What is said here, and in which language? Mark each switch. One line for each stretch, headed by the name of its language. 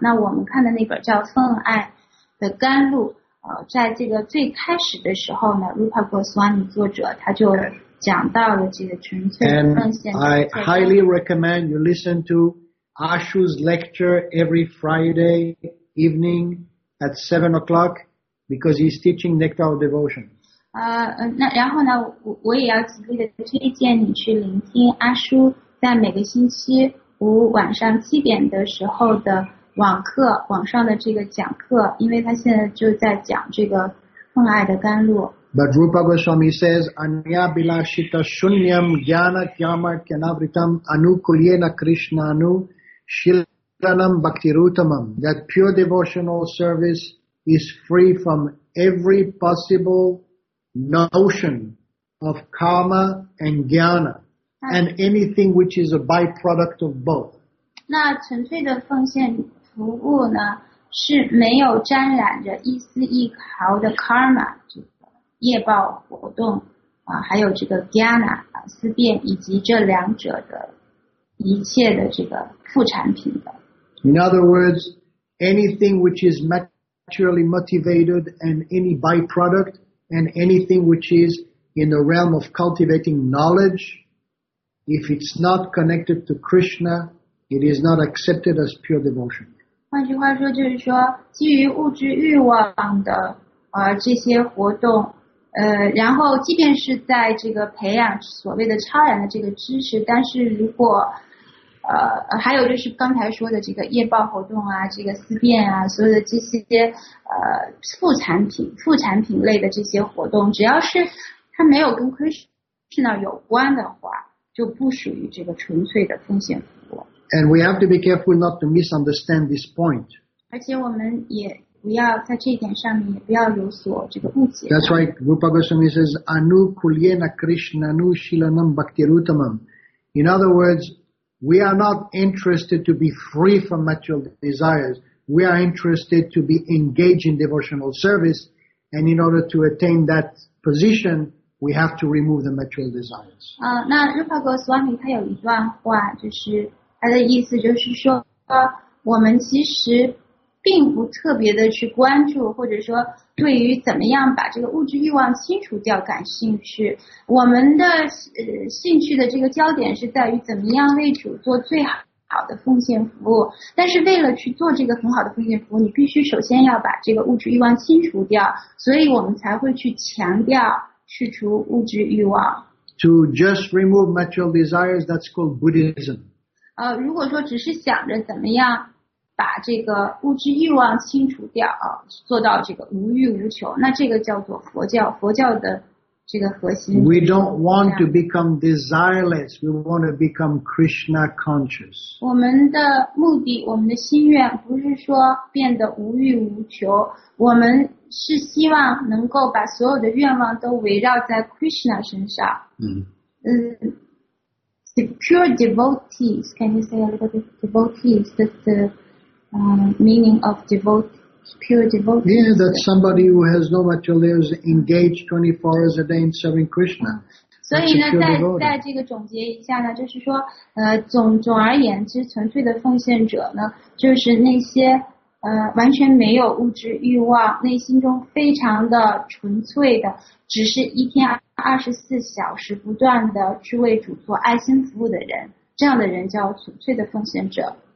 Chinese: 那我们看的那本叫奉爱的甘露在这个最开始的时候呢 Rupa Goswami 作者他就讲到了这个纯粹奉献。
English: I highly recommend you listen to Ashu's lecture every Friday evening at 7 o'clock because he's teaching Nectar of Devotion.
Chinese: 那然后呢，我也要极力的推荐你去聆听阿叔在每个星期五晚上7点的时候的网课，网上的这个讲课，因为他现在就在讲这个奉爱的甘露。
English: But Rupa Goswami says,
Sanskrit: Anya bilashita shunyam jnana kyama kyanavritam anukulyena krishnanu shilanam bhaktirutamam.
English: That pure devotional service is free from every possible notion of karma and jnana and anything which is a byproduct of both.
Chinese: 那纯粹的奉献服务呢是没有沾染着一丝一毫的 karma。业报活动还有这个 Gyana 思辨以及这两者的一切的这个副产品的。
English: In other words, anything which is materially motivated and any byproduct and anything which is in the realm of cultivating knowledge, if it's not connected to Krishna, it is not accepted as pure devotion.
Chinese: 换句话说就是说基于物质欲望的这些活动然后即便是在这个培养所谓的超然的这个知识，但是如果还有就是刚才说的这个业报活动啊，这个思辨啊，所有的这些副产品类的这些活动，只要是它没有跟 Krishna 有关的话，就不属于这个纯粹的奉献服务。
English: And we have to be careful not to misunderstand this point.
Chinese: 而且我们也不要在这一点上面也不要有所这个误解。
English: That's why Rupa Goswami says
Sanskrit: Anu Kulyena Krishna Anu Shilanam Bhaktirutamam.
English: In other words, we are not interested to be free from material desires. We are interested to be engaged in devotional service. And in order to attain that position, we have to remove the material desires.
Chinese: 那 Rupa Goswami 他有一段话，就是他的意思就是说，我们其实并不特别的去关注或者说对于怎么样把这个物质欲望清除掉感兴趣，我们的兴趣的这个焦点是在于怎么样为主做最好的奉献服务，但是为了去做这个很好的奉献服务，你必须首先要把这个物质欲望清除掉，所以我们才会去强调去除物质欲望。
English: To just remove material desires, that's called Buddhism.
Chinese: 如果说只是想着怎么样把这个物质欲望清除掉做到这个无欲无求，那这个叫做佛教的这个核心。
English: We don't want to become desireless. We want to become Krishna conscious.
Chinese: 我们的目的，我们的心愿，不是说变得无欲无求。我们是希望能够把所有的愿望都围绕在 Krishna 身上。
English: The pure devotees. Can you say a little bit devotees? That the meaning of devotee. Pure devotees. Yeah, that's somebody who has no material is engaged 24 hours a day in serving Krishna. So, in a pure devotee.
Chinese: 在这个总结一下呢，就是说，总而言之，纯粹的奉献者呢，就是那些完全没有物质欲望，内心中非常的纯粹的，只是一天24小时不断的去为主做爱心服务的人，这样的人叫纯粹的奉献者。